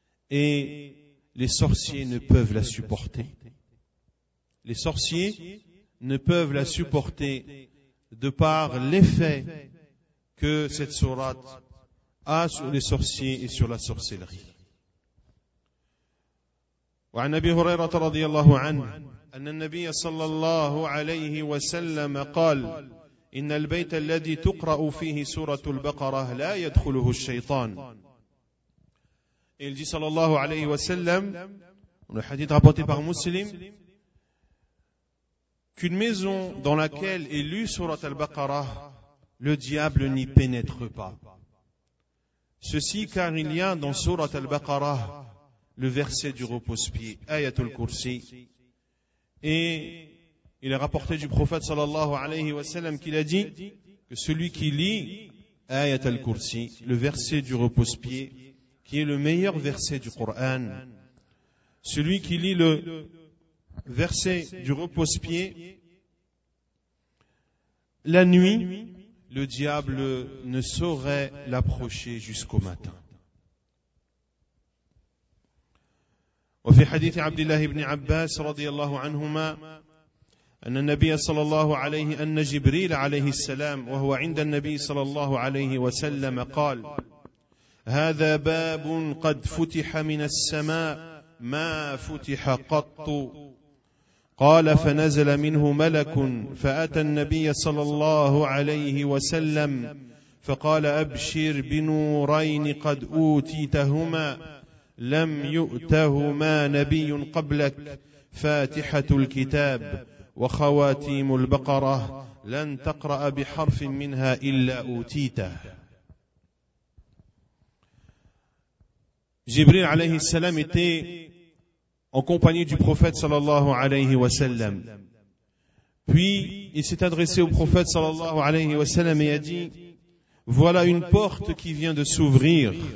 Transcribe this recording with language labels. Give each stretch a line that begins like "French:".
French: Et les sorciers ne peuvent la supporter. Les sorciers ne peuvent la supporter de par l'effet que cette sourate a sur les sorciers et sur la sorcellerie.
Arabic: وعن أبي هريرة رضي الله عنه أن النبي صلى الله عليه وسلم قال: إن البيت الذي تقرأ فيه سورة البقرة لا يدخله الشيطان.
French: Il dit صلى الله عليه وسلم, le hadith rapporté par Muslim, qu'une maison dans laquelle est lue سورة البقرة, le diable n'y pénètre pas. Ceci car il y a dans سورة البقرة le verset du repose-pied, Ayatul Kursi. Et il est rapporté du prophète sallallahu alayhi wa sallam qu'il a dit que celui qui lit Ayatul Kursi, le verset du repose-pied, qui est le meilleur verset du Coran, celui qui lit le verset du repose-pied la nuit, le diable ne saurait l'approcher jusqu'au matin.
Arabic: وفي حديث عبد الله بن عباس رضي الله عنهما أن النبي صلى الله عليه أن جبريل عليه السلام وهو عند النبي صلى الله عليه وسلم قال: هذا باب قد فتح من السماء ما فتح قط. قال: فنزل منه ملك فأتى النبي صلى الله عليه وسلم فقال: أبشر بنورين قد أوتيتهما لم يؤتهما نبي قبلك، فاتحة الكتاب وخواتيم البقرة لن تقرأ بحرف منها إلا أوتيته.
French: جبريل عليه السلام était en compagnie du prophète sallallahu alayhi wa sallam. Puis il s'est adressé au prophète sallallahu alayhi wa sallam et a dit: voilà une porte qui vient de s'ouvrir.